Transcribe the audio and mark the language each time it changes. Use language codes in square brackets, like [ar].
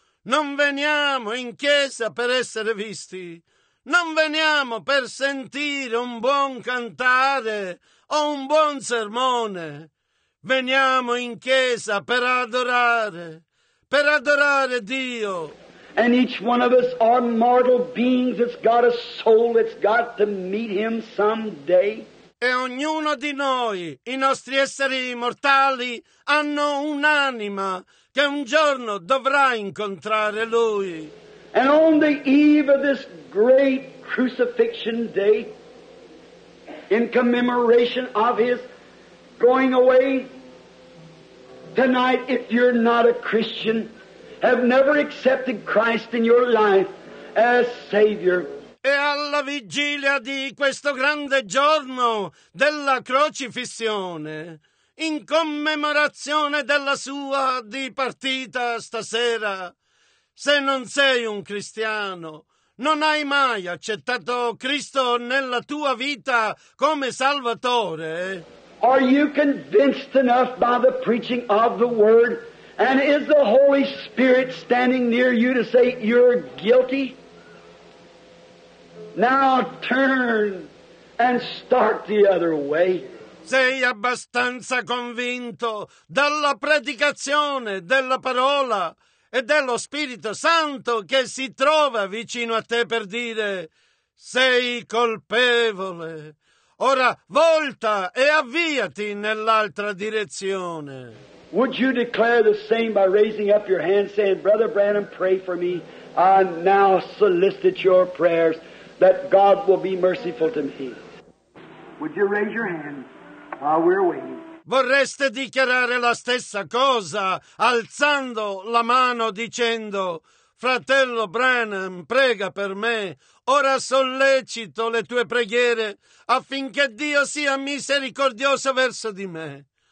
[it] Non veniamo in chiesa per essere visti. Non veniamo per sentire un buon cantare o un buon sermone. Veniamo in chiesa per adorare Dio. [en] And each one of us are mortal beings that's got a soul that's got to meet him someday. [it] E ognuno di noi, i nostri esseri mortali, hanno un'anima che un giorno dovrà incontrare Lui. [en] And on the eve of this great crucifixion day, in commemoration of his going away, tonight, if you're not a Christian, have never accepted Christ in your life as Savior. [it] E alla vigilia di questo grande giorno della crocifissione, in commemorazione della sua dipartita stasera, se non sei un cristiano, non hai mai accettato Cristo nella tua vita come Salvatore? [en] Are you convinced enough by the preaching of the Word? And is the Holy Spirit standing near you to say you're guilty? Now turn and start the other way. [it] Sei abbastanza convinto dalla predicazione della parola e dello Spirito Santo che si trova vicino a te per dire sei colpevole. Ora volta e avviati nell'altra direzione. [en] Would you declare the same by raising up your hand saying, Brother Branham, pray for me. I now solicit your prayers that God will be merciful to me. Would you raise your hand? We're waiting. [it] Vorreste dichiarare la stessa cosa alzando la mano dicendo, Fratello Branham, prega per me. Ora sollecito le tue preghiere affinché Dio sia misericordioso verso di me.